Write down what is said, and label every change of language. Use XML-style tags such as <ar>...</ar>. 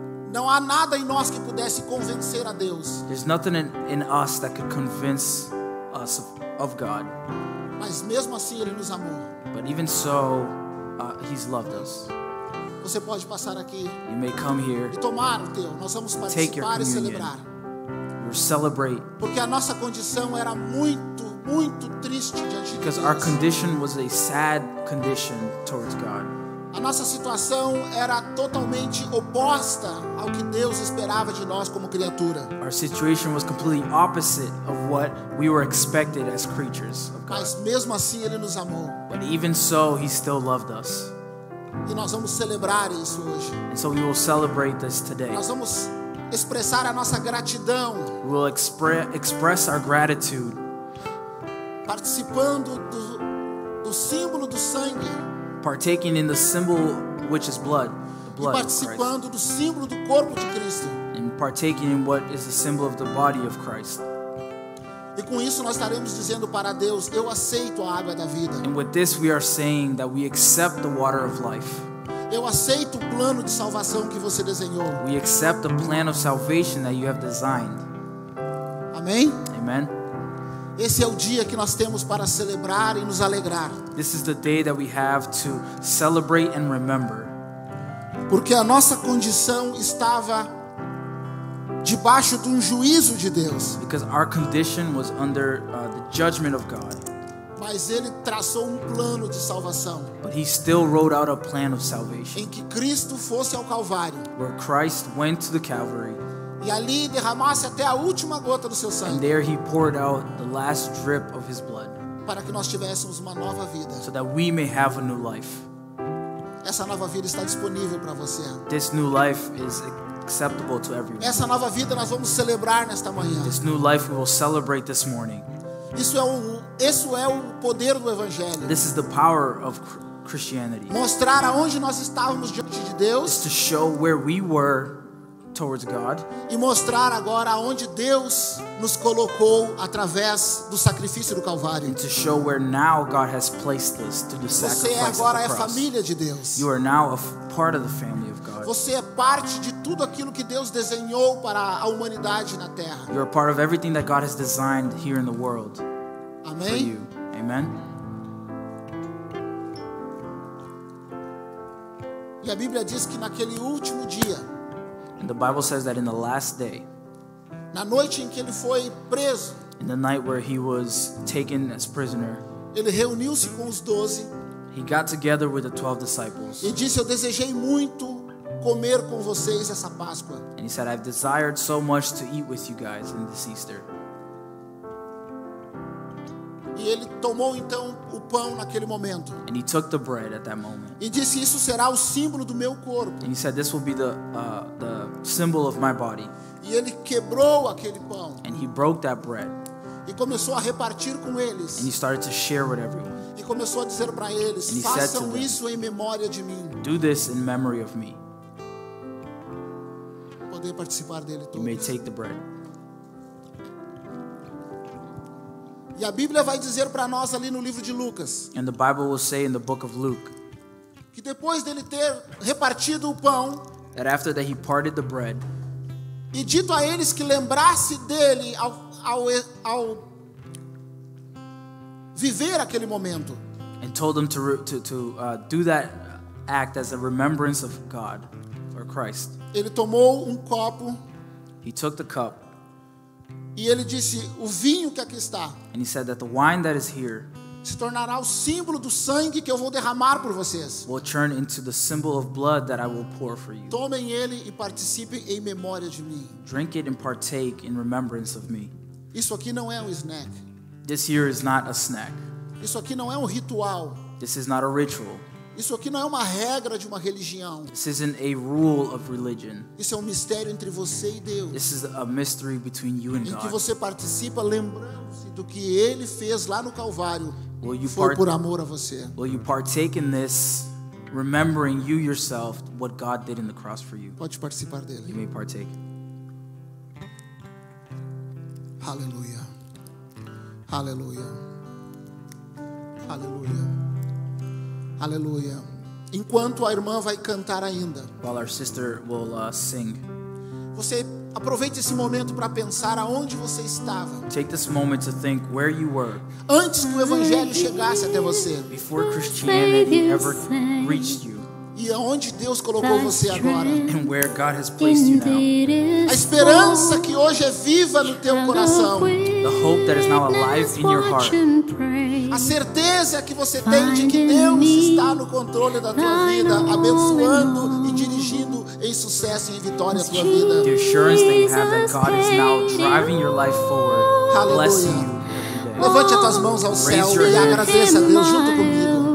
<pt>Não há nada em nós que pudesse convencer a Deus.</pt> <en>There's nothing in us that could convince us of God.</en> <pt>Mas mesmo assim ele nos amou.</pt> <en>But even so, he's loved us.</en> <pt>Você pode passar aqui.</pt> <en>You may come here.</en> <pt>E tomar o teu. Nós vamos participar e celebrar.</pt> <en>We'll celebrate.</en> <pt>Porque a nossa condição era muito, muito triste diante de Deus.</pt> <en>Because our condition was a sad condition towards God.</en> <pt>A nossa situação era totalmente oposta ao que Deus esperava de nós como criatura.</pt> <en>Our situation was completely opposite of what we were expected as creatures of God.</en> <pt>Mas mesmo assim ele nos amou.</pt> <en>But even so, he still loved us.</en> <pt>E nós vamos celebrar isso hoje.</pt> <en>And so we will celebrate this today.</en> <pt>Nós vamos expressar a nossa gratidão.</pt> <en>We will express our gratitude.</en> <pt>participando do, do símbolo do sangue,</pt> <en>partaking in the symbol which is blood, the blood</en> <pt>e participando</pt> <en>of Christ.</en> <pt>Do símbolo do corpo de Cristo,</pt> <en>and partaking in what is the symbol of the body of Christ.</en> <pt>E com isso nós estaremos dizendo para Deus, eu aceito a água da vida.</pt> <en>And with this we are saying that we accept the water of life.</en> <pt>Eu aceito o plano de salvação que você desenhou.</pt> <en>We accept the plan of salvation that you have designed.</en> <pt>Amém?</pt> <en>Amen.</en> <pt>Esse é o dia que nós temos para celebrar e nos alegrar.</pt> <en>This is the day that we have to celebrate and remember.</en> <pt>Porque a nossa condição estava debaixo de um juízo de Deus.</pt> <en>Because our condition was under the judgment of God.</en> <pt>Mas ele traçou um plano de salvação.</pt> <en>But he still wrote out a plan of salvation.</en> <pt>Em que Cristo fosse ao Calvário.</pt> <en>Where Christ went to the Calvary.</en> <pt>E ali derramasse até a última gota do seu sangue.</pt> <en>And there he poured out the last drip of his blood.</en> <pt>Para que nós tivéssemos uma nova vida.</pt> <en>So that we may have a new life.</en> <pt>Essa nova vida está disponível para você.</pt> <en>This new life is acceptable to everyone.</en> <pt>Essa nova vida nós vamos celebrar nesta manhã.</pt> <en>This new life we will celebrate this morning.</en> <pt>Isso é o poder do evangelho.</pt> <en>This is the power of Christianity.</en> <pt>Mostrar aonde nós estávamos diante de Deus.</pt> <en>To show where we were towards God.</en> <pt>E mostrar agora aonde Deus nos colocou através do sacrifício do Calvário.</pt> <en>And to show where now God has placed us through the sacrifice of the cross.</en> <pt>Você agora é família de Deus.</pt> <en>You are now a part of the family of God.</en> <pt>Você é parte de tudo aquilo que Deus desenhou para a humanidade na Terra.</pt> <en>You are part of everything that God has designed here in the world.</en> <pt>Amém?</pt> <en>For you. Amen.</en> <pt>E a Bíblia diz que naquele último dia.</pt> <en>And the Bible says that in the last day.</en> <pt>Na noite em que ele foi preso.</pt> <en>In the night where he was taken as prisoner.</en> <pt>Ele reuniu-se com os 12.</pt> <en>He got together with the 12 disciples.</en> <pt>E disse, eu desejei muito comer com vocês essa Páscoa.</pt> <en>And he said, I've desired so much to eat with you guys in this Easter.</en> <pt>E ele tomou então o pão naquele momento.</pt> <en>And he took the bread at that moment.</en> <pt>E disse, isso será o símbolo do meu corpo.</pt> <en>And he said, this will be the symbol of my body.</en> <pt>E ele quebrou aquele pão.</pt> <en>And he broke that bread.</en> <pt>E começou a repartir com eles.</pt> <en>And he started to share with everyone.</en> <pt>E começou a dizer para eles,</pt> <en>and</en> <pt>façam isso em memória de mim.</pt> <en>Do this in memory of me.</en> <pt>Poder participar dele todos.</pt> <en>You may take the bread.</en> <pt>E a Bíblia vai dizer para nós ali no livro de Lucas.</pt> <en>And the Bible will say in the book of Luke.</en> <pt>Que depois dele ter repartido o pão.</pt> <en>That after that he parted the bread.</en> <pt>E dito a eles que lembrasse dele ao viver aquele momento.</pt> <en>And told them to do that act as a remembrance of God or Christ.</en> <pt>Ele tomou um copo.</pt> <en>He took the cup.</en> <pt>E ele disse, o vinho que aqui está.</pt> <en>And he said that the wine that is here</en> <pt>se tornará o símbolo do sangue que eu vou derramar por vocês.</pt> <en>Will turn into the symbol of blood that I will pour for you.</en> <pt>Tomem ele e participem em memória de mim.</pt> <en>Drink it and partake in remembrance of me.</en> <pt>Isso aqui não é um snack.</pt> <en>This here is not a snack.</en> <pt>Isso aqui não é um ritual.</pt> <en>This is not a ritual.</en> <pt>Isso aqui não é uma regra de uma religião.</pt> <en>This isn't a rule of religion.</en> <pt>Isso é um mistério entre você e Deus.</pt> <en>This is a mystery between you and em God.</en> <pt>Em que você participa lembrando-se do que ele fez lá no Calvário. Foi por amor a você.</pt> <en>Will you partake in this, remembering you yourself, what God did in the cross for you?</en> <pt>Pode participar dele.</pt> <en>You may partake.</en> <pt>Aleluia. Aleluia. Aleluia. Aleluia. Enquanto a irmã vai cantar ainda.</pt> <en>While our sister will sing.</en> <pt>Você aproveite esse momento para pensar aonde você estava.</pt> <en>Take this moment to think where you were.</en> <pt>Antes que o evangelho chegasse até você.</pt> <en>Before Christianity ever reached you.</en> <pt>E aonde Deus colocou você agora.</pt> <en>And where God has placed you now.</en> <pt>A esperança que hoje é viva no teu coração.</pt> <en>The hope that is now alive in your heart.</en> <pt>A certeza que você tem de que Deus está no controle da tua vida, abençoando e dirigindo em sucesso e em vitória a tua vida.</pt> <en>The assurance that you have that God is now driving your life forward, blessing you.</en> <pt>Levante as tuas mãos ao céu e agradeça a Deus junto comigo.</pt>